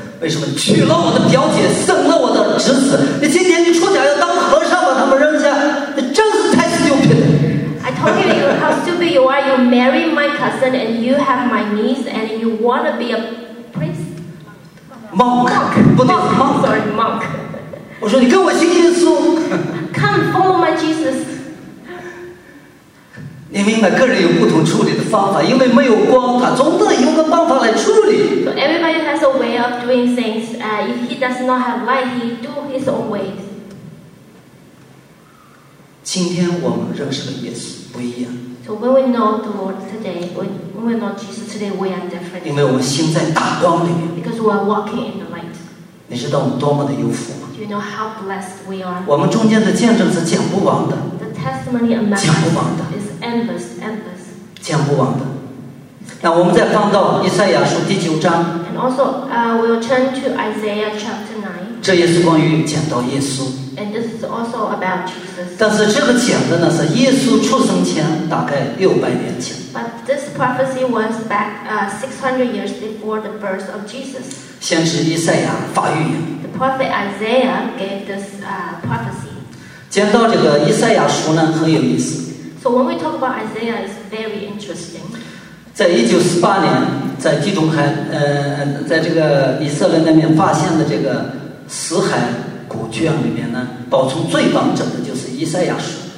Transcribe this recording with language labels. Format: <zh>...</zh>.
<zh>为什么娶了我的表姐，生了我的侄子？你今天你出家要当和尚把他们扔下，你真是太 stupid。</zh> <en>I told you how stupid you are. You marry my cousin and you have my niece and you want to be a priest. Monk</en> <zh>不对</zh> <en>monk。</en> <zh>我说你跟我信耶稣。</zh> <en>Come follow my Jesus。</en> <zh>你明白，个人有不同处理的方法，因为没有光，他总得用个办法来处理。</zh> <en>So everybody has a way of doing things. If he does not have light, he do his own ways.</en> <zh>今天我们认识了耶稣不一样。</zh> <en>So when we know the Lord today, when we know Jesus today, we are different.</en> <zh>因为我们心在大光里面。</zh> <en>Because we are walking in the light.</en> <zh>你知道我们多么的有福吗</zh> <en>？You know how blessed we are.</en> <zh>我们中间的见证是讲不完的。</zh> <en>The testimony amount</en> <zh>讲不完的</zh> <en>is endless.</en> <zh>讲不完的。那我们再放到以赛亚书第九章。</zh> <en>And also, we'll turn to Isaiah chapter 9.</en> <zh>这也是关于讲到耶稣。</zh> <en>And this is also about Jesus.</en> <zh>但是这个讲的呢是耶稣出生前大概600年前。</zh> <en>But this prophecy was back 600 years before the birth of Jesus.</en> <zh>先知以赛亚发预言。</zh> <en>The prophet Isaiah gave this prophecy.</en> <zh>讲到这个以赛亚书呢很有意思。</zh> <en>So when we talk about Isaiah, it's very interesting.</en> <zh>在1948年，在地中海，在这个以色列那边发现的这个死海古卷里面呢，保存最完整的就是以赛亚书。</zh>